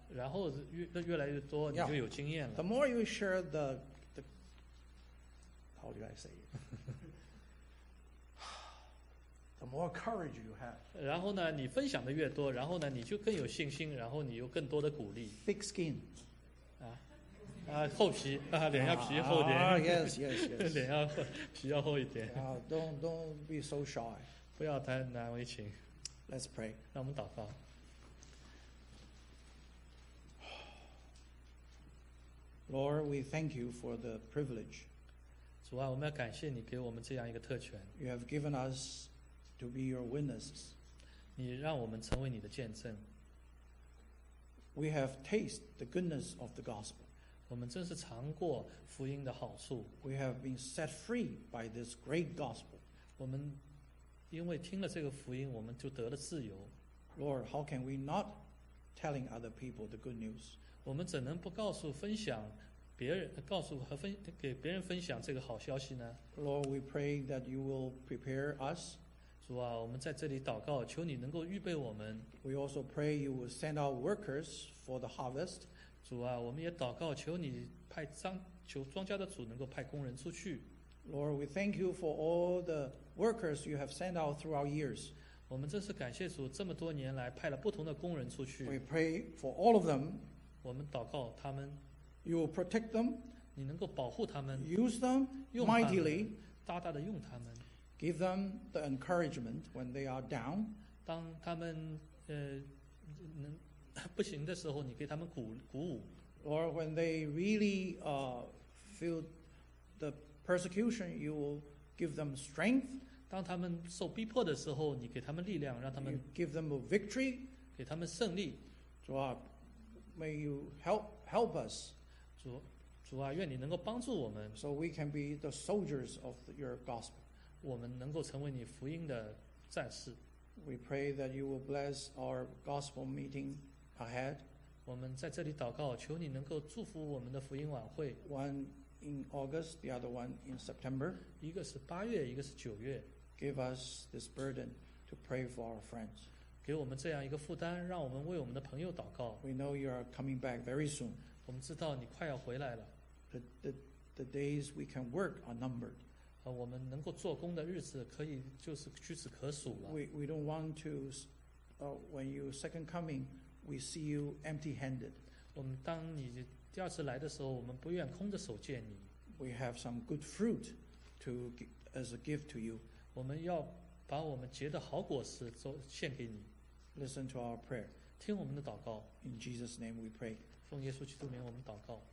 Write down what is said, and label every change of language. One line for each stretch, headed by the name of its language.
Chinese: 然后 越来越多你就有经验了。
English: Yeah. The more you share the how do I say it? The more courage you have.
Chinese: 然后呢你分享的越多，然后呢你就更有信心，然后你有更多的鼓励。
English: Thick skin.
Chinese: 厚皮，脸要皮厚点。
English: Yes, yes, yes.
Chinese: 脸要皮要厚一点。
English: Don't be so shy.
Chinese: 不要太难为情。
English: Let's pray.
Chinese: 让我们祷告。
English: Lord, we thank you for the privilege.
Chinese: 主啊，我们要感谢你给我们这样一个特权。
English: You have given us to be your witnesses.
Chinese: 你让我们成为你的见证。
English: We have tasted the goodness of the gospel.
Chinese: 我们真是尝过福音的好处。
English: We have been set free by this great gospel.
Chinese: 我们因为听了这个福音，我们就得了自由。
English: Lord, how can we not telling other people the good news?
Chinese: 我们怎能不告诉、分享别人、告诉和分给别人分享这个好消息呢？
English: Lord, we pray that you will prepare us.
Chinese: 主啊，我们在这里祷告，求你能够预备我们。
English: We also pray you will send out workers for the harvest.
Chinese: 主啊，我们也祷告，求你派求庄稼的主能够派工人出去。
English: Lord, we thank you for all the workers you have sent out throughout years.
Chinese: 我们真是感谢主，这么多年来派了不同的工人出去。
English: We pray for all of them.
Chinese: 我们祷告他们。
English: You will protect them.
Chinese: 你能够保护他们。
English: Use them mightily.
Chinese: 大大的用他们。
English: Give them the encouragement when they are down.
Chinese: 当他们能不行的时候，你给他们鼓舞。
English: Or when they really feel the persecution, you will give them strength.
Chinese: 当他们受逼迫的时候，你给他们力量，让他们
English: give them a victory,
Chinese: 给他们胜利。主啊
English: ，May you help us.
Chinese: 主啊，愿你能够帮助我们
English: ，so we can be the soldiers of your gospel.
Chinese: 我们能够成为你福音的战士。
English: We pray that you will bless our gospel meeting ahead.
Chinese: 我们在这里祷告，求你能够祝福我们的福音晚会。
English: One in August, the other one in September.
Chinese: 一个是八月，一个是九月。
English: Give us this burden to pray for our friends.
Chinese: 给我们这样一个负担，让我们为我们的朋友祷告。
English: We know you are coming back very soon.
Chinese: 我们知道你快要回来了。
English: The days we can work are numbered.
Chinese: 我们能够做工的日子可以就是屈指可数了。
English: We don't want to, when you second coming, we see you empty-handed.
Chinese: 我们当你第二次来的时候，我们不愿空着手见你。
English: We have some good fruit to as a gift to you.
Chinese: 我们要把我们结的好果实做献给你。
English: Listen to our prayer.
Chinese: 听我们的祷告。
English: In Jesus' name we pray.
Chinese: 奉耶稣基督名我们祷告。